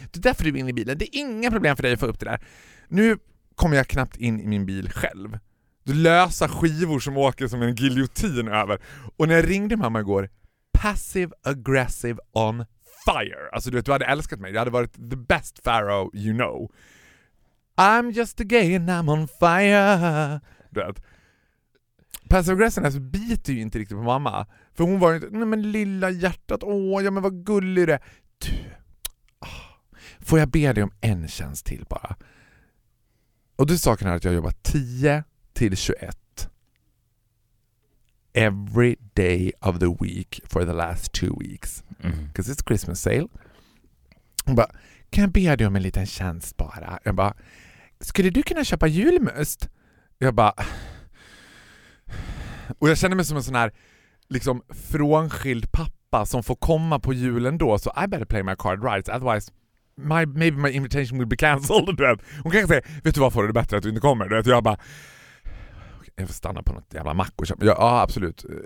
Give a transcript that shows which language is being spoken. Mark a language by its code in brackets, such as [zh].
[sv] Det är därför du är inne i bilen. Det är inga problem för dig att få upp det där. Nu kommer jag knappt in i min bil själv. Du lösa skivor som åker som en giljotin över. Och när jag ringde mamma igår, [en] passive aggressive on fire. [sv] Alltså du vet, du hade älskat mig. Jag hade varit [en] the best pharaoh you know. I'm just a gay and I'm on fire. [sv] Du vet. Passive aggressive, alltså, biter ju inte riktigt på mamma. För hon var ju inte, nej men lilla hjärtat, åh ja men vad gullig det. Du, oh, får jag be dig om en tjänst till bara? Och du sa att jag jobbar [en] 10-21 every day of the week for the last 2 weeks. Because it's Christmas sale. [sv] Hon bara, kan jag be dig om en liten tjänst bara? Jag bara, skulle du kunna köpa julmust? Jag bara, och jag känner mig som en sån här liksom frånskild pappa som får komma på julen då. [en] Så I better play my card right, otherwise maybe my invitation will be cancelled. [sv] Hon kanske säger, vet du vad, får du det bättre att du inte kommer? Jag bara, okay, jag får stanna på något jävla mack och köpa. Ja, absolut.